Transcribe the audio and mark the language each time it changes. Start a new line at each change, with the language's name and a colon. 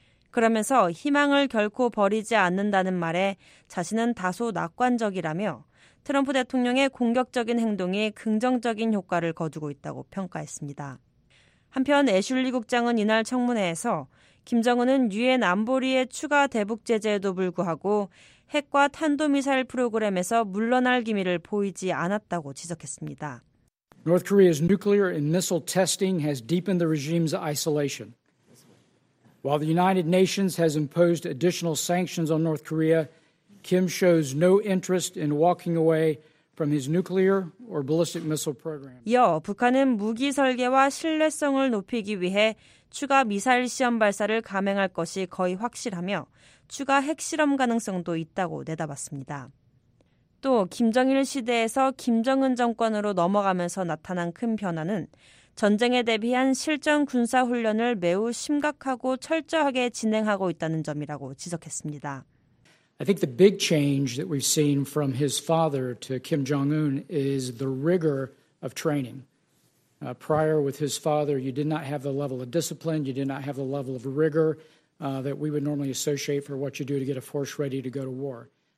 Korean: 그러면서 희망을 결코 버리지 않는다는 말에 자신은 다소 낙관적이라며 트럼프 대통령의 공격적인 행동이 긍정적인 효과를 거두고 있다고 평가했습니다. 한편 애슐리 국장은 이날 청문회에서 김정은은 유엔 안보리의 추가 대북 제재에도 불구하고 핵과 탄도미사일 프로그램에서 물러날 기미를 보이지 않았다고 지적했습니다.
English: North Korea's nuclear and missile testing has deepened the regime's isolation. While the United Nations has imposed additional sanctions on North Korea, Kim shows no interest in walking away from his nuclear or ballistic missile program.
Korean: 이어 북한은 무기 설계와 신뢰성을 높이기 위해 추가 미사일 시험 발사를 감행할 것이 거의 확실하며 추가 핵실험 가능성도 있다고 내다봤습니다. 또 김정일 시대에서 김정은 정권으로 넘어가면서 나타난 큰 변화는 전쟁에 대비한 실전 군사훈련을 매우 심각하고 철저하게 진행하고 있다는 점이라고 지적했습니다.
English: I think the big change that we've seen from his father to Kim Jong-un is the rigor of training. Prior with his father, you did not have the level of discipline, you did not have the level of rigor that we would normally associate for what you do to get a force ready to go to war.